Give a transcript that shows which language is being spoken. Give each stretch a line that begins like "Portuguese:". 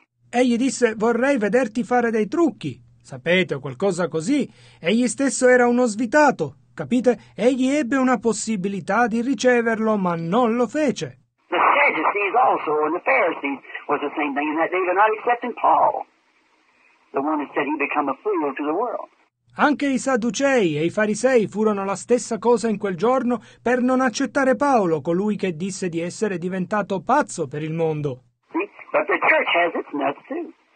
Italian: Egli disse, vorrei vederti fare dei trucchi, sapete, o qualcosa così. Egli stesso era uno svitato. Capite? Egli ebbe una possibilità di riceverlo, ma non lo fece.
English: The Sadducees also, and the Pharisees was the same thing, in that they were not accepting Paul, the one who said he'd become a fool to the world.
Italian: Anche i Sadducei e i Farisei furono la stessa cosa in quel giorno per non accettare Paolo, colui che disse di essere diventato pazzo per il mondo.
English: See? But the church has its nuts too.